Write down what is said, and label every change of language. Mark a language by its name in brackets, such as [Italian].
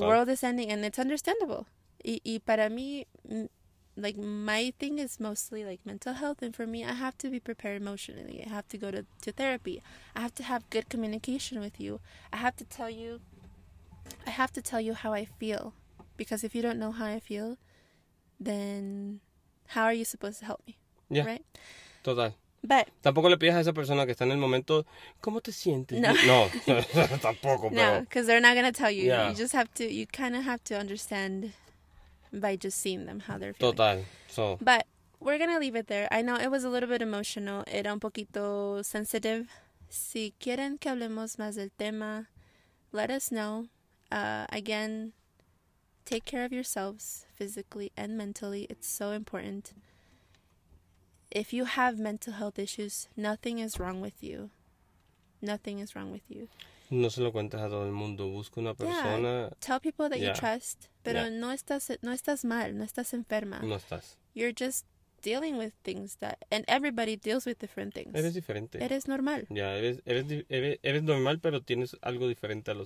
[English] The world is ending, and it's understandable. [Spanish] Y para mí, [English] like, my thing is mostly like mental health, and for me, I have to be prepared emotionally. I have to go to therapy. I have to have good communication with you. I have to tell you how I feel, because if you don't know how I feel, then how are you supposed to help me? Yeah. Right? [Spanish] Total. [English] But [Spanish] tampoco le pides a esa persona que está en el momento, ¿cómo te sientes? No. No, tampoco, pero [English] no, because they're not going to tell you. Yeah. You just have to, you kind of have to understand by just seeing them how they're [Spanish] total. [English] Feeling. [Spanish] Total. So. [English] But we're going to leave it there. I know it was a little bit emotional. [Spanish] Era un poquito [English] sensitive. Si quieren que hablemos más del tema, let us know. Again, take care of yourselves physically and mentally. It's so important. If you have mental health issues, nothing is wrong with you. Nothing is wrong with you. [Spanish] No se lo cuentes a todo el mundo. Busca una persona. [English] Yeah, tell people that yeah. you trust. [Spanish] Pero [English] yeah. [Spanish] no estás mal. No estás enferma. No estás. [English] You're just dealing with things that... And everybody deals with different things. [Spanish] Eres diferente. Eres normal. Yeah, eres normal, pero tienes algo diferente a los